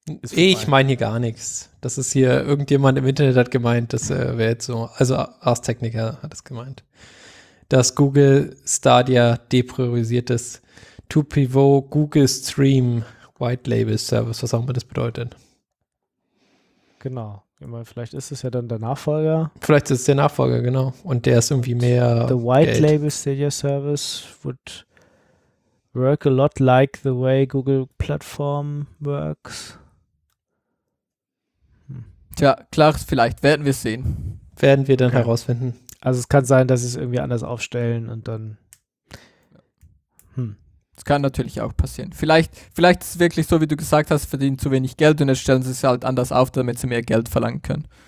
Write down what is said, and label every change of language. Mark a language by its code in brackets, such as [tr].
[de] Ich meine hier gar nichts. Das ist hier, irgendjemand im Internet hat gemeint, das wäre jetzt so, also Ars Technica hat es gemeint, dass Google Stadia depriorisiert ist. [en] To pivot Google Stream White Label Service, [de] was auch immer das bedeutet. Genau. Ich meine, vielleicht ist es ja dann der Nachfolger. Vielleicht ist es der Nachfolger, genau. Und der ist irgendwie mehr [en] The White [de] Geld. [en] Label Stadia Service would work a lot like the way Google Platform works. [de] Tja, klar, vielleicht werden wir es sehen. Werden wir dann herausfinden. Also es kann sein, dass sie es irgendwie anders aufstellen und dann. Das kann natürlich auch passieren. Vielleicht ist es wirklich so, wie du gesagt hast, verdienen zu wenig Geld und jetzt stellen sie es halt anders auf, damit sie mehr Geld verlangen können.